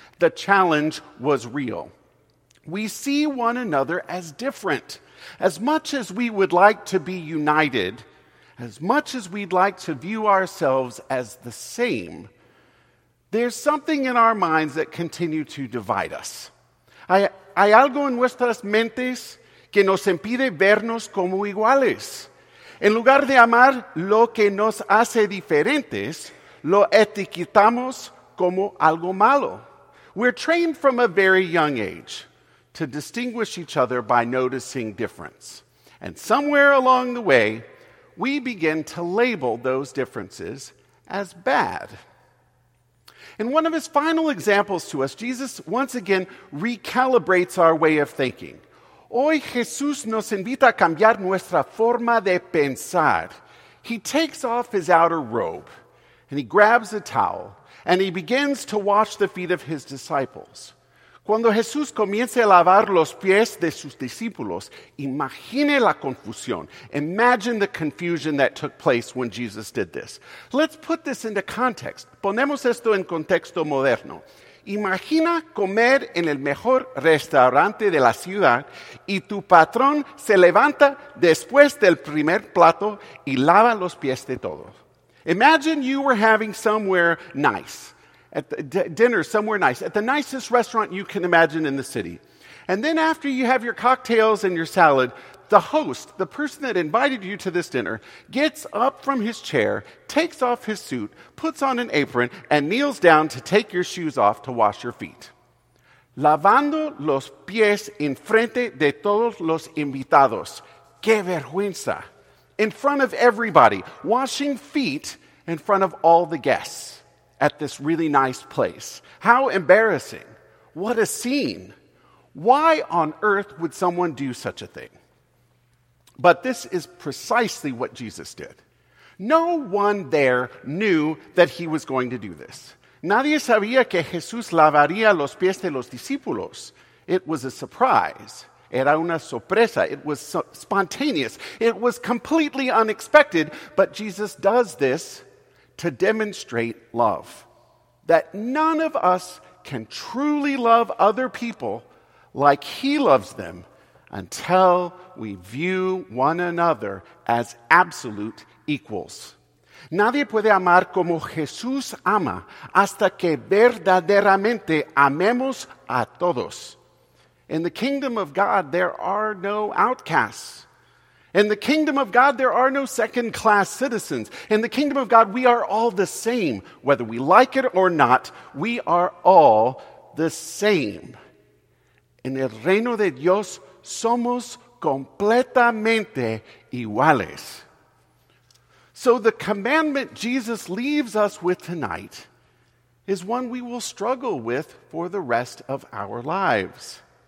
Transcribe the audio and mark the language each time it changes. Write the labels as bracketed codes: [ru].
[en] The challenge was real. We see one another as different. As much as we would like to be united, as much as we'd like to view ourselves as the same, there's something in our minds that continue to divide us. [es] Hay algo en nuestras mentes que nos impide vernos como iguales. En lugar de amar lo que nos hace diferentes, lo etiquetamos como algo malo. [en] We're trained from a very young age to distinguish each other by noticing difference. And somewhere along the way, we begin to label those differences as bad. In one of his final examples to us, Jesus once again recalibrates our way of thinking. [es] Hoy Jesús nos invita a cambiar nuestra forma de pensar. [en] He takes off his outer robe, and he grabs a towel, and he begins to wash the feet of his disciples. [es] Cuando Jesús comience a lavar los pies de sus discípulos, imagine la confusión. [en] Imagine the confusion that took place when Jesus did this. Let's put this into context. [es] Ponemos esto en contexto moderno. Imagina comer en el mejor restaurante de la ciudad y tu patrón se levanta después del primer plato y lava los pies de todos. [en] Imagine you were having somewhere nice, at the dinner somewhere nice, at the nicest restaurant you can imagine in the city. And then after you have your cocktails and your salad, the host, the person that invited you to this dinner, gets up from his chair, takes off his suit, puts on an apron, and kneels down to take your shoes off to wash your feet. [es] Lavando los pies en frente de todos los invitados. ¡Qué vergüenza! [en] In front of everybody, washing feet in front of all the guests at this really nice place. How embarrassing. What a scene. Why on earth would someone do such a thing? But this is precisely what Jesus did. No one there knew that he was going to do this. [es] Nadie sabía que Jesús lavaría los pies de los discípulos. [en] It was a surprise. [es] Era una sorpresa. [en] It was spontaneous. It was completely unexpected. But Jesus does this to demonstrate love. That none of us can truly love other people like he loves them until we view one another as absolute equals. [es] Nadie puede amar como Jesús ama hasta que verdaderamente amemos a todos. [en] In the kingdom of God, there are no outcasts. In the kingdom of God, there are no second-class citizens. In the kingdom of God, we are all the same. Whether we like it or not, we are all the same. [es] En el reino de Dios, somos completamente iguales. [en] So the commandment Jesus leaves us with tonight is one we will struggle with for the rest of our lives.